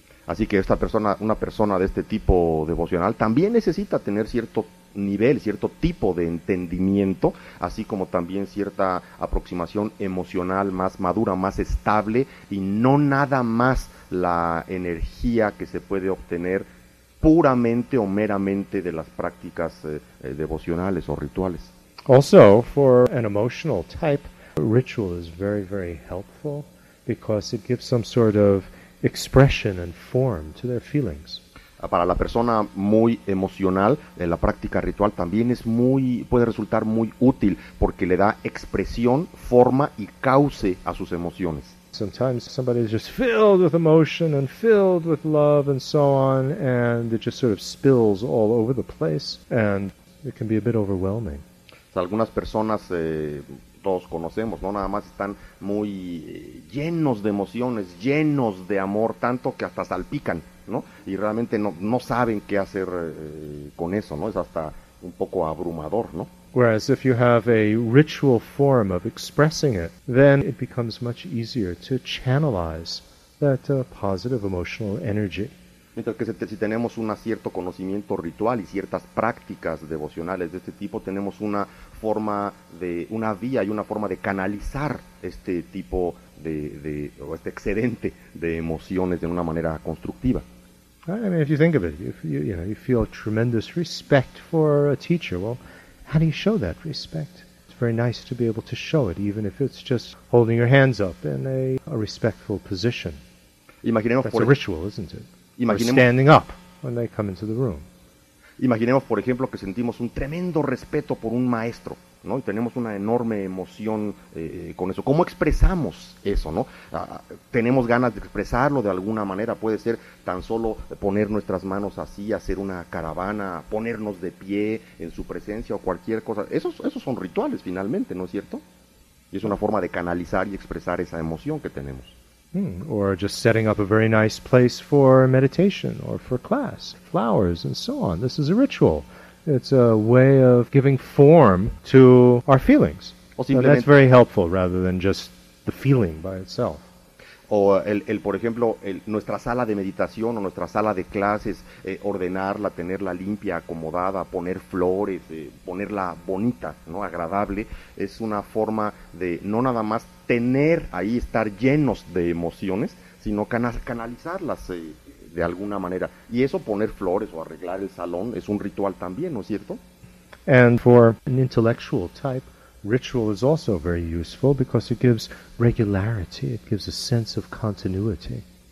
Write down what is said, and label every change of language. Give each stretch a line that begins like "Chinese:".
Spanish: Así que esta persona, una persona de este tipo devocional, también necesita tener cierto nivel, cierto tipo de entendimiento, así como también cierta aproximación emocional más madura, más estable, y no nada más la energía que se puede obtener puramente o meramente de las prácticas devocionales o rituales.
English: Also, for an emotional type, ritual is very, very helpful because it gives some sort of expression and form to their feelings.
Spanish: Para la persona muy emocional, la práctica ritual también es muy, puede resultar muy útil porque le da expresión, forma y cauce a sus emociones.
English: Sometimes somebody is just filled with emotion and filled with love and so on, and it just sort of spills all over the place, and it can be a bit overwhelming.
Spanish: Algunas personas, todos conocemos, no nada más están muy llenos de emociones, llenos de amor, tanto que hasta salpican, ¿no? Y realmente no saben qué hacer con eso, ¿no? Es hasta un poco abrumador, ¿no?
English: Whereas if you have a ritual form of expressing it, then it becomes much easier to channelize that positive emotional energy.
Spanish: Mientras que si tenemos un cierto conocimiento ritual y ciertas prácticas devocionales de este tipo, tenemos una forma de una vía y una forma de canalizar este tipo de o este excedente de emociones de una manera constructiva.
English: I mean, if you think of it, you feel tremendous respect for a teacher. Well, how do you show that respect? It's very nice to be able to show it, even if it's just holding your hands up in a respectful position.
Spanish: Imaginemos
English: that's a ritual, isn't it?
Spanish: Imaginemos,
English: or standing up when they come into the room.
Spanish: Imaginemos, por ejemplo, que sentimos un tremendo respeto por un maestro, ¿no? Y tenemos una enorme emoción con eso. ¿Cómo expresamos eso, no? Tenemos ganas de expresarlo de alguna manera. Puede ser tan solo poner nuestras manos así, hacer una caravana, ponernos de pie en su presencia o cualquier cosa. Esos son rituales, finalmente, ¿no es cierto? Y es una forma de canalizar y expresar esa emoción que tenemos.
English: Or just setting up a very nice place for meditation or for class, flowers and so on. This is a ritual. It's a way of giving form to our feelings. And that's very helpful rather than just the feeling by itself.
Spanish: O por ejemplo, nuestra sala de meditación o nuestra sala de clases, ordenarla, tenerla limpia, acomodada, poner flores, ponerla bonita, ¿no? Agradable, es una forma de no nada más tener ahí, estar llenos de emociones, sino canalizarlas de alguna manera. Y eso, poner flores o arreglar el salón, es un ritual también, ¿no es cierto?
English: And for an intellectual type, ritual is also very useful because it gives regularity, it gives a sense of continuity.